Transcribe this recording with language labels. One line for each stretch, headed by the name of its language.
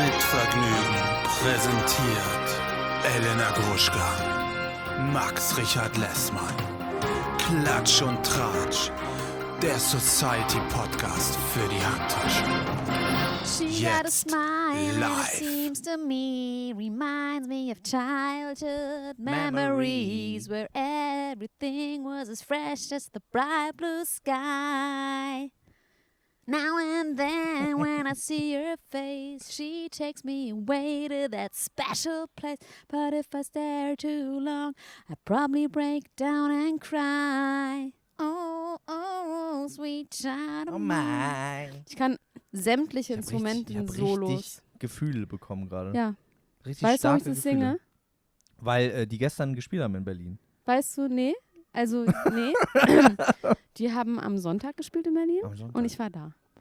German: Vergnügen präsentiert Elena Gruschka, Max Richard Lessmann, Klatsch und Tratsch, der Society Podcast für die Handtasche.
English: She got a smile, it seems to me, reminds me of childhood memories, where everything was as fresh as the bright blue sky. Now and then when I see her face, she takes me away to that special place. But if I stare too long, I probably break down and cry. Oh, oh, oh, sweet child of mine.
German: Ich kann sämtliche Instrumente in Solos. Ich habe richtig Gefühle bekommen gerade. Ja. Richtig weißt starke du, warum ich das singe? Weil die gestern gespielt haben in Berlin. Weißt du, nee. Also, nee. Die haben am Sonntag gespielt in Berlin und ich war da.